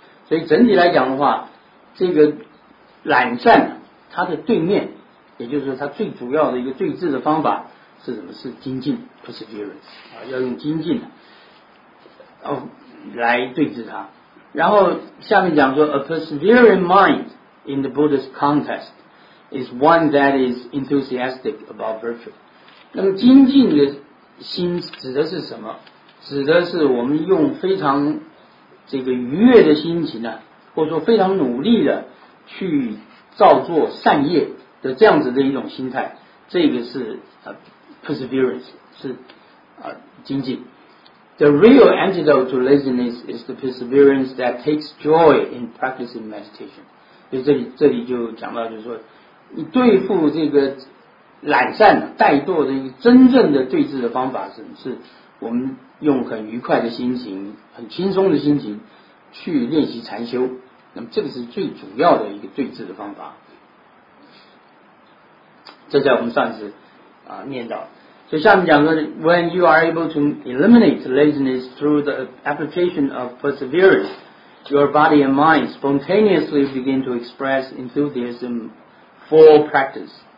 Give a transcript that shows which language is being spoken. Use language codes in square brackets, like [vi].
[zh] 所以整体来讲的话，这个懒散它的对面，也就是它最主要的一个对治的方法是什么？是精进 perseverance 啊，要用精进来对治它。然后下面讲说 [en] a persevering mindIn the Buddhist context, is one that is enthusiastic about virtue. [zh] 那么精进的心指的是什么？指的是我们用非常这个愉悦的心情呢，或者说非常努力的去造作善业的这样子的一种心态。这个是perseverance， 是精进。 [en] The real antidote to laziness is the perseverance that takes joy in practicing meditation. [zh] 所以这里就讲到，就是说，你对付这个懒散、怠惰的一个真正的对治的方法是我们用很愉快的心情、很轻松的心情去练习禅修。那么这个是最主要的一个对治的方法。这在我们上次念到。所以下面讲说 [en] When you are able to eliminate laziness through the application of perseverance, your body and mind spontaneously begin to express enthusiasm for practice.